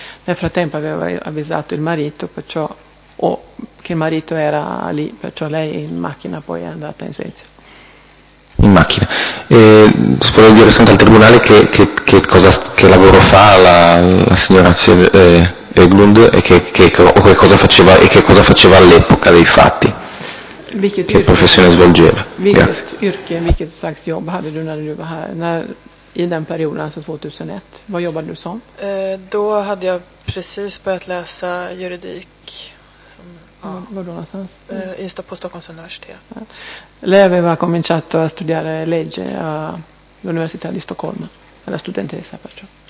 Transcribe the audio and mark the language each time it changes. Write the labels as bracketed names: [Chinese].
[Italian] Nel frattempo aveva avvisato il marito, perciò che il marito era lì, perciò lei in macchina poi è andata in Svezia. In macchina. Vorrei dire sono al tribunale che cosa, che lavoro fa la signora Eglund e che cosa faceva all'epoca dei fatti. [Swedish] Vilket [Italian] che professione svolgeva? [Swedish] Vilket yrke, vilket slags jobb hade du när du var här? I den perioden, alltså 2001, vad jobbade du som? Då hade jag precis börjat läsa juridik. Var då någonstans? På Stockholms universitet. Ja. [Italian] Lei aveva cominciato a studiare legge all'università di Stoccolma, alla studentessa perciò.